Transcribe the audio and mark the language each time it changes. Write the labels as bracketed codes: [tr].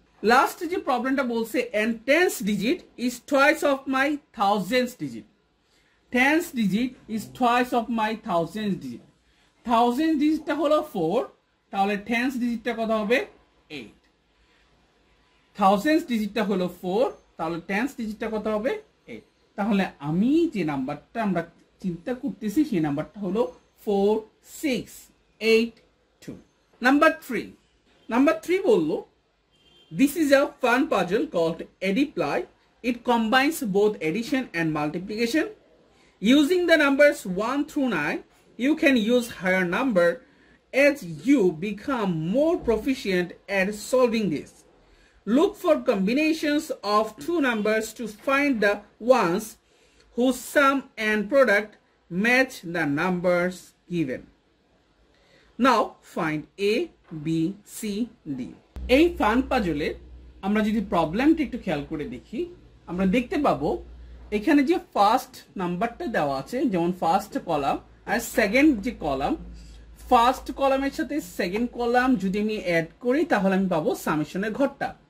[bn] Last যে প্রবলেমটা বলছে [en] and tens digit is twice of my thousands digit, [bn] tense digit is twice of my thousands digit, thousands ডিজিটটা হলো four, তাহলে tense ডিজিটটা কত হবে, এইট, থাউজেন্ডস ডিজিটটা হলো ফোর, তাহলে টেন্স ডিজিটটা কত হবে, এইট। তাহলে আমি যে নাম্বারটা আমরা চিন্তা করতেছি সেই নাম্বারটা হলো four six eight two. Number three, number three বললো [en] this is a fun puzzle called Addiply. It combines both addition and multiplication. Using the numbers 1 through 9, you can use higher number as you become more proficient at solving this. Look for combinations of two numbers to find the ones whose sum and product match the numbers given. Now find A, B, C, D. [bn] এই fun পাজলের আমরা যদি প্রবলেমটা একটু খেয়াল করে দেখি, আমরা দেখতে পাবো এখানে যে ফার্স্ট নাম্বারটা দেওয়া আছে, যেমন ফার্স্ট কলাম আর সেকেন্ড যে কলাম, ফার্স্ট কলামের সাথে সেকেন্ড কলাম যদি আমি অ্যাড করি তাহলে আমি পাবো সামেশনের ঘরটা,